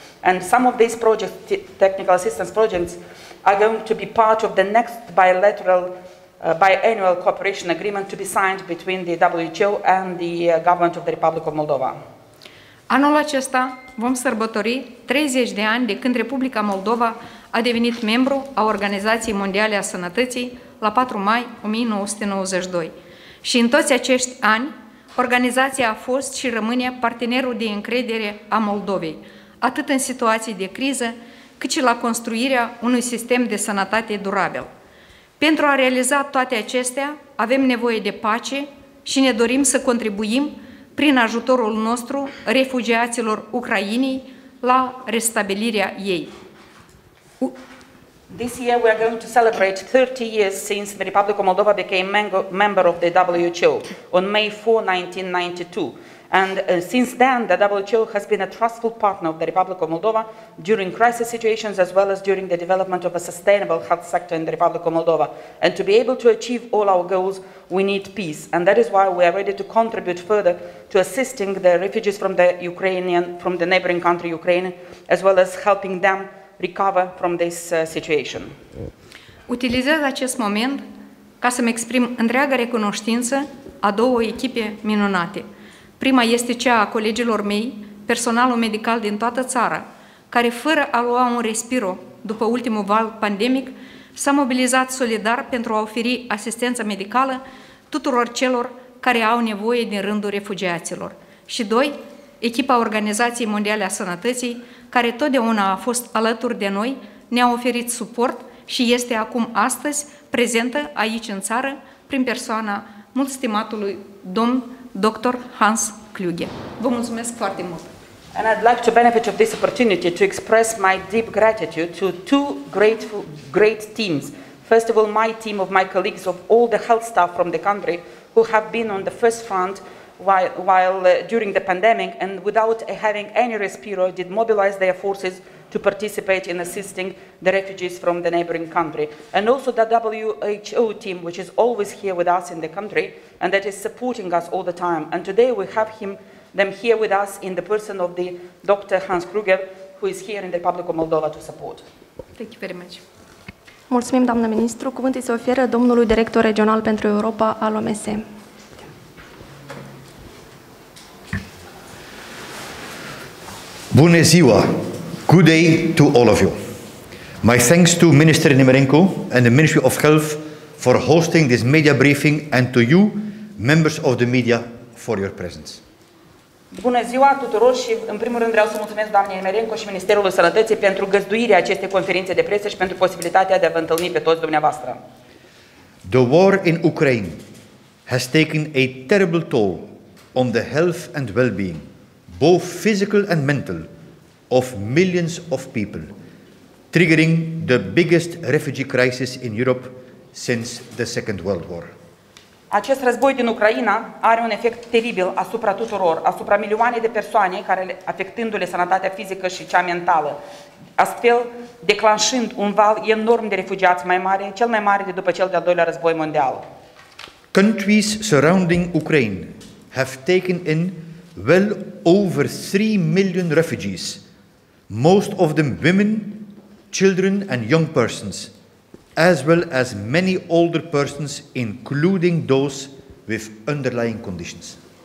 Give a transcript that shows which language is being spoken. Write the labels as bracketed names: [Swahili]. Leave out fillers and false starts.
[English] And some of these projects, technical assistance projects, are going to be part of the next biannual cooperation agreement to be signed between the WHO and the government of the Republic of Moldova. [Romanian] Anul acesta vom sărbători 30 de ani de când Republica Moldova a devenit membru a Organizației Mondiale a Sănătății la 4 mai 1992. Și în toți acești ani, organizația a fost și rămâne partenerul de încredere a Moldovei, atât în situații de criză, cât și la construirea unui sistem de sănătate durabil. Pentru a realiza toate acestea, avem nevoie de pace și ne dorim să contribuim prin ajutorul nostru refugiaților Ucrainei la restabilirea ei. [English] This year we are going to celebrate 30 years since the Republic of Moldova became member of the WHO on May 4, 1992. And since then, the WHO has been a trustful partner of the Republic of Moldova during crisis situations as well as during the development of a sustainable health sector in the Republic of Moldova. And to be able to achieve all our goals, we need peace. And that is why we are ready to contribute further to assisting the refugees from the Ukrainian, from the neighboring country Ukraine, as well as helping them recover from this situation. [Romanian] Utilizez acest moment ca să-mi exprim întreaga recunoștință a două echipe minunate. Prima este cea a colegilor mei, personalul medical din toată țara, care fără a lua un respiro după ultimul val pandemic, s-a mobilizat solidar pentru a oferi asistență medicală tuturor celor care au nevoie din rândul refugiaților. Și doi, echipa Organizației Mondiale a Sănătății, care totdeauna a fost alături de noi, ne-a oferit suport și este acum astăzi prezentă aici în țară prin persoana mult stimatului domn Dr. Hans Kluge. Vă mulțumesc foarte mult. [English] And I'd like to benefit of this opportunity to express my deep gratitude to two great teams. First of all, my team of my colleagues of all the health staff from the country who have been on the first front during the pandemic and without having any respiro did mobilize their forces to participate in assisting the refugees from the neighboring country. And also the WHO team, which is always here with us in the country and that is supporting us all the time. And today we have them here with us in the person of the Dr. Hans Kluge, who is here in the Republic of Moldova to support. Thank you very much. [Romanian] Mulțumim, doamnă ministru. Cuvântul îi se oferă domnului director regional pentru Europa al OMS. Bună ziua! [English] Good day to all of you. My thanks to Minister Nemirenko and the Ministry of Health for hosting this media briefing and to you, members of the media, for your presence. [Romanian] Bună ziua tuturor și în primul rând vreau să mulțumesc doamnei Emerenco și Ministerului Sănătății pentru găzduirea acestei conferințe de presă și pentru posibilitatea de a vă întâlni pe toți dumneavoastră. [English] The war in Ukraine has taken a terrible toll on the health and well-being, both physical and mental, of millions of people, triggering the biggest refugee crisis in Europe since the Second World War. [Romanian] Acest război din Ucraina are un efect teribil asupra tuturor, asupra milioane de persoane, care, afectându-le sănătatea fizică și cea mentală, astfel declanșând un val enorm de refugiați mai mare, cel mai mare de după cel de-al doilea război mondial. [English] Countries surrounding Ukraine have taken in well over 3 million refugees, most of them women, children and young persons, as well as many older persons, including those with underlying conditions.